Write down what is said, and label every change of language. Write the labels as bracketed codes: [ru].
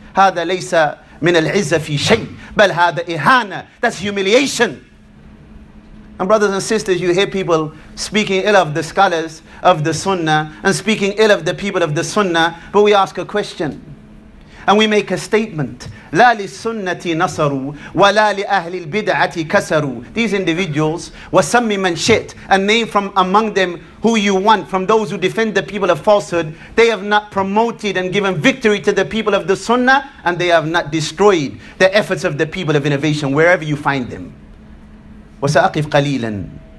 [ar] Hada laysa min al-izza fi shay, bal hada ihana, [en] that's humiliation. And brothers and sisters, you hear people speaking ill of the scholars of the sunnah and speaking ill of the people of the sunnah, but we ask a question and we make a statement. [ar] لا للسنة نصر ولا لأهل البدعة كسر. [en] These individuals, [ar] وسمي من شئت, [en] a name from among them who you want, from those who defend the people of falsehood, they have not promoted and given victory to the people of the sunnah, and they have not destroyed the efforts of the people of innovation wherever you find them. [ar] وسأقف قليلا.